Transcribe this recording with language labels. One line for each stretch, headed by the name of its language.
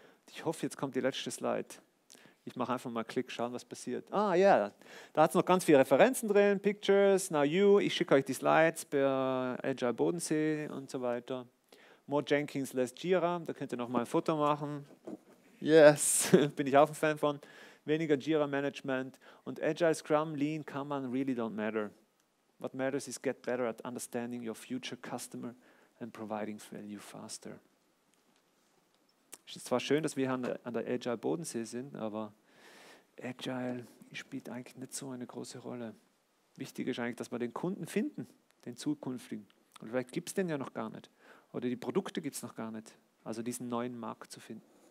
German: Ich hoffe, jetzt kommt die letzte Slide. Ich mache einfach mal Klick, schauen, was passiert. Ah, ja, yeah. Da hat es noch ganz viele Referenzen drin, Pictures, Now You. Ich schicke euch die Slides per Agile Bodensee und so weiter.
English: More Jenkins, less Jira.
German: Da könnt ihr noch mal ein Foto machen. Yes, bin ich auch ein Fan von. Weniger Jira-Management.
English: Und Agile, Scrum, Lean, Kanban really don't matter. What matters is get better at understanding your future customer and providing value faster.
German: Es ist zwar schön, dass wir an der Agile-Bodensee sind, aber Agile spielt eigentlich nicht so eine große Rolle. Wichtig ist eigentlich, dass wir den Kunden finden, den zukünftigen. Und vielleicht gibt es den ja noch gar nicht. Oder die Produkte gibt es noch gar nicht. Also diesen neuen Markt zu finden.